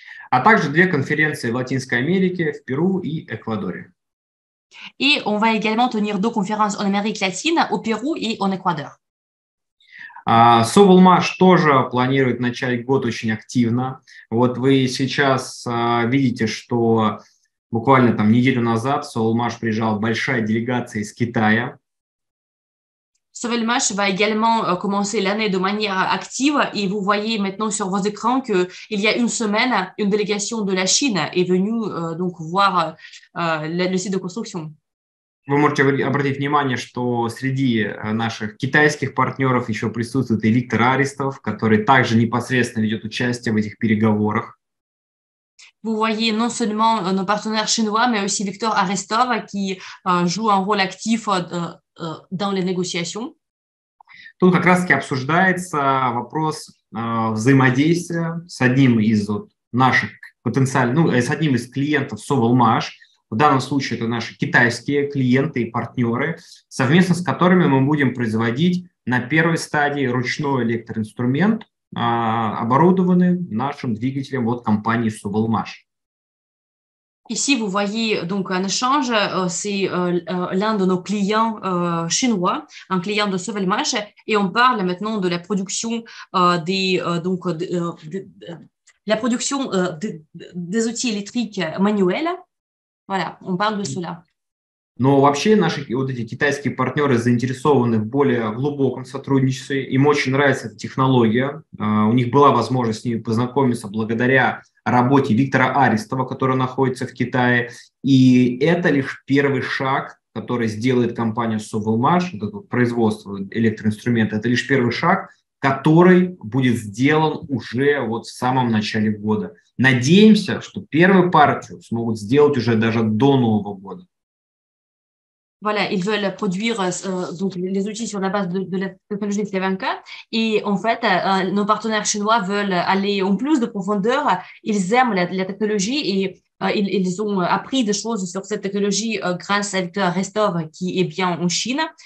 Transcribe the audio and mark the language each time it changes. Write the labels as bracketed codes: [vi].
[ru] А также две конференции в Латинской Америке, в Перу и Эквадоре. [fr] Et on va également tenir deux conférences en Amérique latine, au Pérou et en Équateur. [ru] Sovelmash тоже планирует начать год очень активно. Вот вы сейчас видите, что буквально там неделю назад Sovelmash приезжала большая делегация из Китая. [fr] Sovelmash va également commencer l'année de manière active et vous voyez maintenant sur vos écrans qu'il y a une semaine, une délégation de la Chine est venue donc voir le site de construction. [ru] Вы можете обратить внимание, что среди наших китайских партнеров еще присутствует и Виктор Аристов, который также непосредственно ведет участие в этих переговорах. [fr] Vous voyez non seulement nos partenaires chinois, mais aussi Viktor Arestov qui joue un rôle actif dans les négociations. [ru] Тут как раз-таки обсуждается вопрос взаимодействия с одним из вот, наших потенциальных, ну, с одним из клиентов Sovelmash. В данном случае это наши китайские клиенты и партнеры, совместно с которыми мы будем производить на первой стадии ручной электроинструмент, оборудованный нашим двигателем от компании Sovelmash. [fr] Ici, vous voyez donc un échange, c'est l'un de nos clients chinois, un client de Sovelmash, et on parle maintenant de la production des outils électriques manuels. Voilà, on parle de cela. [ru] Но вообще наши вот эти китайские партнеры заинтересованы в более глубоком сотрудничестве. Им очень нравится эта технология. У них была возможность с ними познакомиться благодаря работе Виктора Арестова, который находится в Китае. И это лишь первый шаг, который сделает компания Sovelmash, вот это производство электроинструмента, это лишь первый шаг, который будет сделан уже вот в самом начале года. Надеемся, что первую партию смогут сделать уже даже до Нового года. [fr] Voilà, ils veulent produire donc les outils sur la base de la technologie de Slavanka. Et en fait, nos partenaires chinois veulent aller en plus de profondeur. Ils aiment la technologie et ils ont appris des choses sur cette technologie grâce à Viktor Arestov qui est bien en Chine.